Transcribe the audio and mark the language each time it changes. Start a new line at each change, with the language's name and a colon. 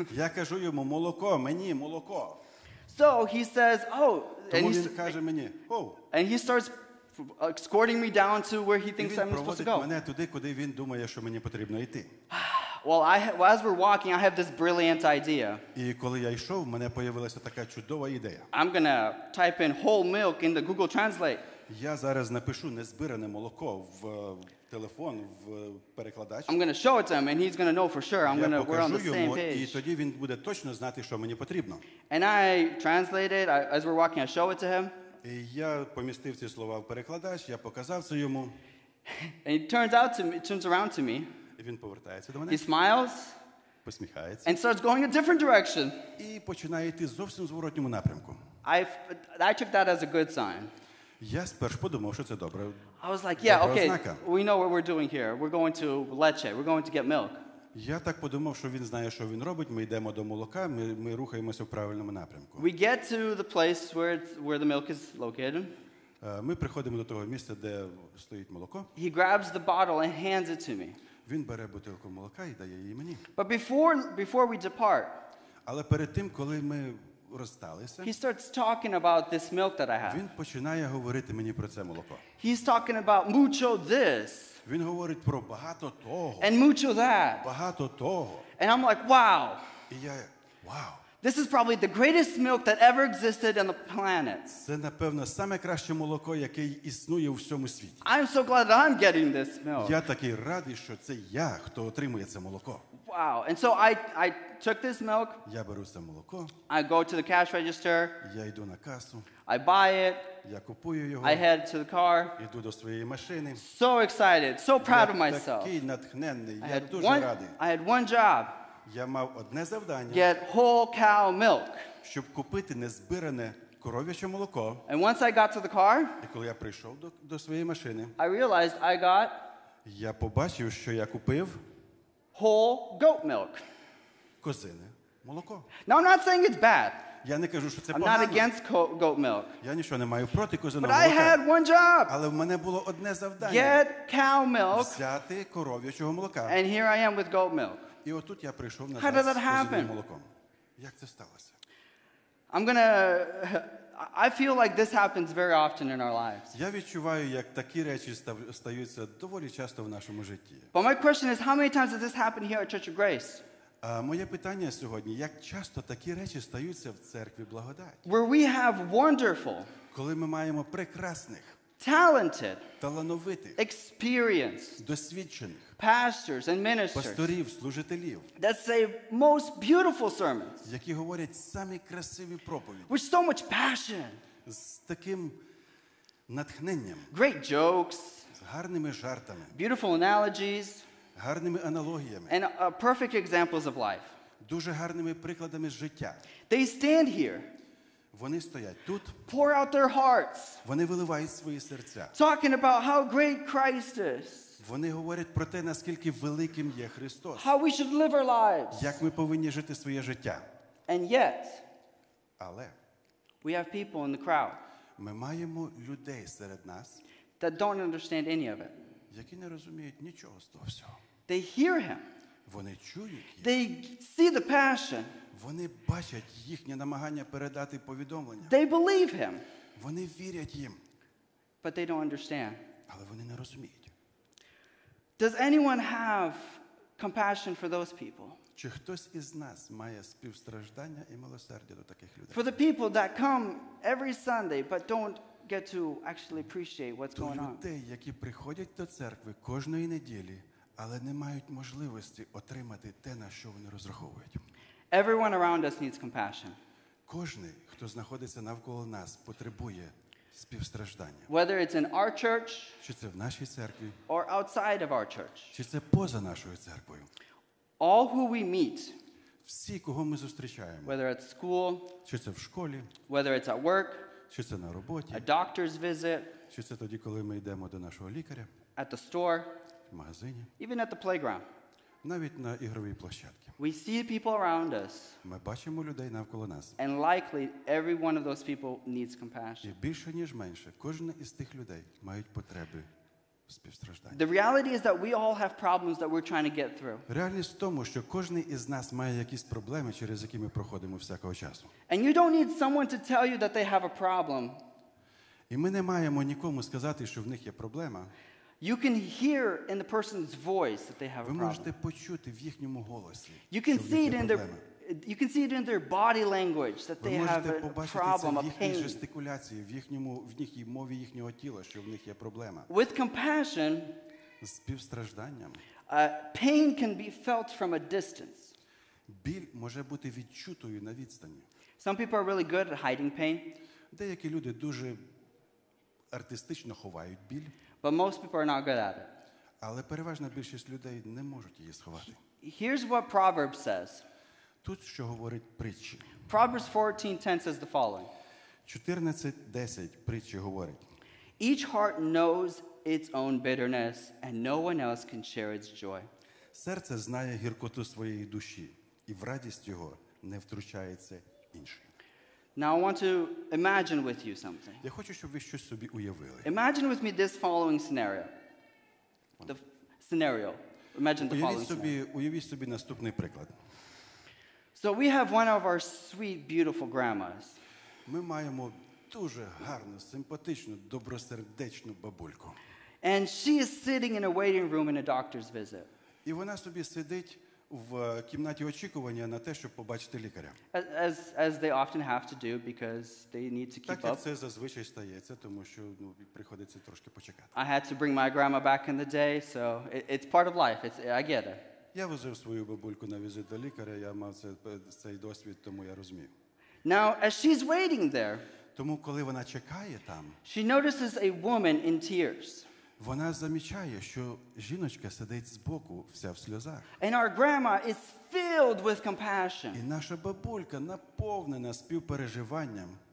Ukrainian: Я кажу йому, молоко, мені, молоко.
English: So he says, oh.
Ukrainian: Тому він каже мені, oh.
English: And he starts escorting me down to where he thinks I'm supposed to go.
Ukrainian: Він проводить мене туди, куди він думає, що мені потрібно йти.
English: Well, as we're walking, I have this brilliant idea.
Ukrainian: І коли я йшов, в мене появилася така чудова ідея.
English: I'm going to type in whole milk in the Google Translate.
Ukrainian: Я зараз напишу незбирене молоко в телефон, в перекладач.
English: I'm going to show it to him and he's going to know for sure. I'm going to we're on the
Ukrainian: йому,
English: same page.
Ukrainian: І тоді він буде точно знати, що мені потрібно.
English: And I translate it as we're walking, I show it to him.
Ukrainian: І я помістив ці слова в перекладач, я показав це йому.
English: And he turns out to me, turns around to me.
Ukrainian: І він повертається до мене.
English: He smiles.
Ukrainian: Посміхається.
English: And starts going a different direction.
Ukrainian: І починає йти зовсім зворотньому напрямку.
English: I took that as a good sign.
Ukrainian: Я спершу подумав, що це добре.
English: I was like, yeah, okay. We know what we're doing here. We're going to leche. We're going to get milk.
Ukrainian: Я так подумав, що він знає, що він робить. Ми йдемо до молока, ми рухаємося в правильному напрямку.
English: We get to the place where the milk is located.
Ukrainian: Ми приходимо до того місця, де стоїть молоко.
English: He grabs the bottle and hands it to me.
Ukrainian: Він бере бутилку молока і дає її мені.
English: But before we depart.
Ukrainian: Але перед тим, коли ми розсталися.
English: He starts talking about this milk that I have.
Ukrainian: Він починає говорити мені про це молоко.
English: He's talking about mucho this.
Ukrainian: Він говорить про багато того.
English: And mucho that.
Ukrainian: Багато того.
English: And I'm like, wow.
Ukrainian: І я, wow.
English: This is probably the greatest milk that ever existed on the planet.
Ukrainian: Це, напевно, саме краще молоко, яке існує у всьому світі.
English: I'm so glad that I'm getting this milk.
Ukrainian: Я такий радий, що це я, хто отримує це молоко.
English: Wow. And so I took this milk.
Ukrainian: Я беру це молоко.
English: I go to the cash register.
Ukrainian: Я йду на касу.
English: I buy it.
Ukrainian: Я купую його.
English: I head to the car.
Ukrainian: Іду до своєї машини.
English: So excited. So proud of myself.
Ukrainian: Такий натхнений. Я дуже радий.
English: I had one job.
Ukrainian: Я мав одне завдання.
English: Get whole cow milk.
Ukrainian: Щоб купити незбиране Коров'яче молоко.
English: And once I got to the car,
Ukrainian: і коли я прийшов до своєї машини,
English: I realized I got,
Ukrainian: я побачив, що я купив
English: whole goat milk.
Ukrainian: Козине молоко.
English: Now I'm not saying it's bad.
Ukrainian: Я не кажу, що це
English: I'm
Ukrainian: погано.
English: Not against goat milk.
Ukrainian: Я нічого не маю проти козиного молока.
English: But I had one job.
Ukrainian: Але в мене було одне завдання.
English: Get cow milk.
Ukrainian: Взяти коров'ячого молока.
English: And here I am with goat milk.
Ukrainian: І отут я прийшов назад з козиним молоком. Як це сталося?
English: I feel like this happens very often in our lives.
Ukrainian: Я відчуваю, як такі речі стаються доволі часто в нашому житті.
English: But my question is, how many times does this happen here at Church of Grace?
Ukrainian: Моє питання сьогодні, як часто такі речі стаються в церкві благодаті?
English: Where we have wonderful,
Ukrainian: коли ми маємо прекрасних,
English: talented,
Ukrainian: талановитих,
English: experienced,
Ukrainian: досвідчених,
English: pastors and ministers,
Ukrainian: пасторів, служителів,
English: that say most beautiful sermons,
Ukrainian: які говорять самі красиві проповіді,
English: with so much passion,
Ukrainian: з таким натхненням,
English: great jokes,
Ukrainian: з гарними жартами,
English: beautiful analogies,
Ukrainian: гарними аналогіями,
English: and perfect examples of life,
Ukrainian: дуже гарними прикладами життя,
English: they stand here,
Ukrainian: вони стоять тут,
English: pour out their hearts,
Ukrainian: вони виливають свої серця,
English: talking about how great Christ is,
Ukrainian: вони говорять про те, наскільки великим є Христос.
English: How we should live our lives.
Ukrainian: Як ми повинні жити своє життя.
English: And yet,
Ukrainian: але
English: we have people in the crowd,
Ukrainian: ми маємо людей серед нас,
English: that don't understand any of it.
Ukrainian: Які не розуміють нічого з того всього.
English: They hear him.
Ukrainian: Вони чують їх.
English: They see the passion.
Ukrainian: Вони бачать їхнє намагання передати повідомлення.
English: They believe him.
Ukrainian: Вони вірять їм.
English: But they don't understand.
Ukrainian: Але вони не розуміють.
English: Does anyone have compassion for those people?
Ukrainian: Чи хтось із нас має співстраждання і милосердя до таких людей?
English: For the people that come every Sunday but don't get to actually appreciate what's going on.
Ukrainian: Люди, які приходять до церкви кожної неділі, але не мають можливості отримати те, на що вони розраховують.
English: Everyone around us needs compassion.
Ukrainian: Кожний, хто знаходиться навколо нас, потребує співстраждання.
English: Whether it's in our church,
Ukrainian: чи це в нашій церкві,
English: or outside of our church,
Ukrainian: чи це поза нашою церквою.
English: All who we meet,
Ukrainian: всі, кого ми зустрічаємо,
English: whether at school,
Ukrainian: чи це в школі,
English: whether it's at work,
Ukrainian: чи це на роботі,
English: a doctor's visit,
Ukrainian: чи це тоді, коли ми йдемо до нашого лікаря,
English: at the store,
Ukrainian: в магазині,
English: even at the playground,
Ukrainian: навіть на ігровій площадці.
English: We see people around us.
Ukrainian: Ми бачимо людей навколо нас.
English: And likely every one of those people needs compassion.
Ukrainian: І більше ніж менше, кожен із тих людей мають потреби в співстражданні.
English: The reality is that we all have problems that we're trying to get through.
Ukrainian: Реальність в тому, що кожен із нас має якісь проблеми, через які ми проходимо всякого часу.
English: And you don't need someone to tell you that they have a problem.
Ukrainian: І ми не маємо нікому сказати, що в них є проблема.
English: You can hear in the person's voice that they have a problem.
Ukrainian: Ви можете почути в їхньому голосі.
English: You can see it in their body language that they have a problem, a pain.
Ukrainian: Ви можете побачити це в їхній жестикуляції, в їхній мові їхнього тіла, що в них є проблема.
English: With compassion,
Ukrainian: з співстражданням,
English: pain can be felt from a distance.
Ukrainian: Біль може бути відчутою на відстані.
English: Some people are really good at hiding pain.
Ukrainian: Деякі люди дуже артистично ховають біль.
English: But most people are not good at it.
Ukrainian: Але переважна більшість людей не можуть її сховати.
English: Here's what Proverbs says.
Ukrainian: Тут що говорить притчі.
English: Proverbs 14:10 says the following.
Ukrainian: 14:10 притчі говорить.
English: Each heart knows its own bitterness and no one else can share its joy.
Ukrainian: Серце знає гіркоту своєї душі, і в радість його не втручається інший.
English: Now I want to imagine with you something.
Ukrainian: Я хочу, щоб ви щось собі уявили.
English: Imagine with me this following scenario. The scenario. Imagine the following
Ukrainian: собі,
English: scenario.
Ukrainian: Уявіть собі наступний приклад.
English: So we have one of our sweet, beautiful grandmas.
Ukrainian: Ми маємо дуже гарну, симпатичну, добросердечну бабульку.
English: And she is sitting in a waiting room in a doctor's visit.
Ukrainian: І вона собі сидить в кімнаті очікування на те, щоб побачити лікаря.
English: As they often have to do because they need to keep
Ukrainian: так,
English: up.
Ukrainian: Так це зазвичай стається, тому що, ну, приходиться трошки почекати.
English: I had to bring my grandma back in the day, so it's part of life. I get it.
Ukrainian: Я возив свою бабульку на візит до лікаря, я мав цей досвід, тому я розумію.
English: Now as she's waiting there,
Ukrainian: тому коли вона чекає там,
English: she notices a woman in tears.
Ukrainian: Вона замічає, що жіночка сидить збоку, вся в сльозах.
English: And our grandma is filled with compassion.
Ukrainian: І наша бабулька наповнена співпереживанням.